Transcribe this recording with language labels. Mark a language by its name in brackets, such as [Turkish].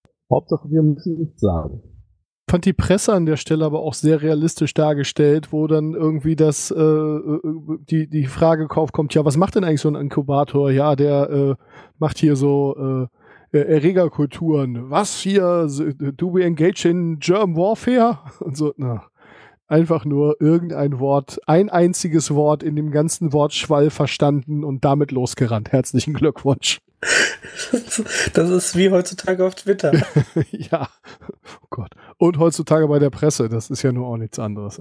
[German] Hauptsache, wir müssen nichts sagen. Fand die Presse an der Stelle aber auch sehr realistisch dargestellt, wo dann irgendwie das die Frage aufkommt, ja, was macht denn eigentlich so ein Inkubator? Ja, der macht hier so Erregerkulturen. Was hier? [English] Do we engage in germ warfare? [German] Und so, na, einfach nur irgendein Wort, ein einziges Wort in dem ganzen Wortschwall verstanden und damit losgerannt. Herzlichen Glückwunsch. Das ist wie heutzutage auf Twitter. Ja, oh Gott. Und heutzutage bei der Presse, das ist ja nur auch nichts anderes.